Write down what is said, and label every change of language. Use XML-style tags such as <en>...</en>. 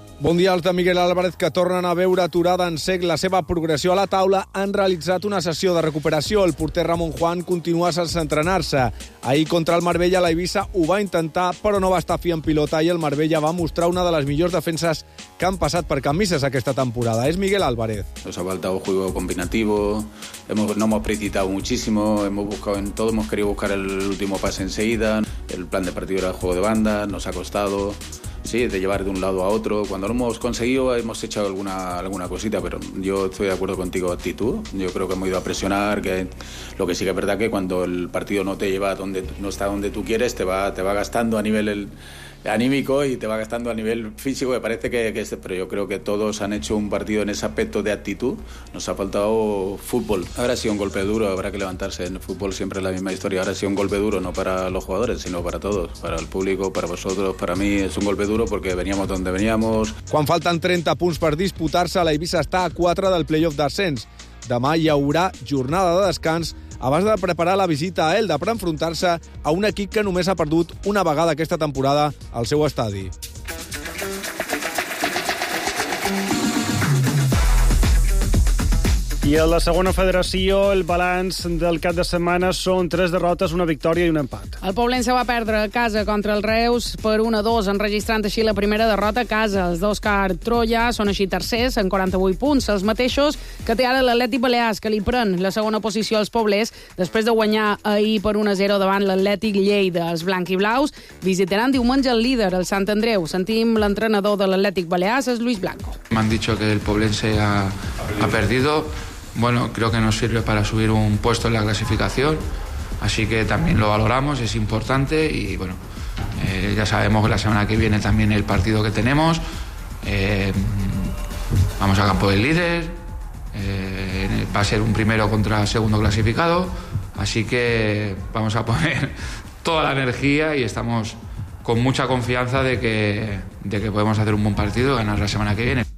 <ca>Bon dia als de Miguel Álvarez, que tornen a veure aturada en sec la seva progressió a la taula. Han realitzat una sessió de recuperació. El porter Ramon Juan continua sense entrenar-se. Ahir contra el Marbella, l'Eivissa ho va intentar, però no va estar fi en pilota i el Marbella va mostrar una de les millors defenses que han passat per camises aquesta temporada. És Miguel Álvarez.</ca> <es>Nos ha faltado un juego combinativo, no hemos precipitado muchísimo, hemos buscado en todo, hemos querido buscar el último pase enseguida, el plan de partido era el juego de banda, nos ha costado. Sí, de llevar de un lado a otro. Cuando lo hemos conseguido, hemos hecho alguna cosita, pero yo estoy de acuerdo contigo, actitud. Yo creo que hemos ido a presionar, que lo que sí que es verdad que cuando el partido no te lleva donde no está donde tú quieres, te va gastando a nivel anímico y te va gastando a nivel físico, me parece que es, pero yo creo que todos han hecho un partido en ese aspecto de actitud. Nos ha faltado fútbol. Ahora ha sido un golpe duro, habrá que levantarse. En el fútbol siempre es la misma historia. Ahora ha sido un golpe duro, no para los jugadores, sino para todos, para el público, para vosotros, para mí. Es un golpe duro porque veníamos donde veníamos.</es> <ca>Quan falten 30 punts per disputar-se, l'Eivissa està a 4 del play-off d'ascens. Demà hi haurà jornada de descans abans de preparar la visita a Elda per enfrontar-se a un equip que només ha perdut una vegada aquesta temporada al seu estadi. I a la segona federació, el balanç del cap de setmana són 3 derrotes, una victòria i un empat. El Poblense va perdre a casa contra el Reus per 1-2, enregistrant així la primera derrota a casa. Els d'Òscar Troia són així tercers, amb 48 punts, els mateixos que té ara l'Atlètic Balears, que li pren la segona posició als Poblers després de guanyar ahir per 1-0 davant l'Atlètic Lleida. Els blanc i blaus visitaran diumenge el líder, el Sant Andreu. Sentim l'entrenador de l'Atlètic Balears, és Luis Blanco. M'han dit que el Poblense</ca> <es>ha perdido. Bueno, creo que nos sirve para subir un puesto en la clasificación, así que también lo valoramos, es importante y bueno, ya sabemos que la semana que viene también el partido que tenemos, vamos a campo del líder, va a ser un primero contra segundo clasificado, así que vamos a poner toda la energía y estamos con mucha confianza de que podemos hacer un buen partido y ganar la semana que viene.</es>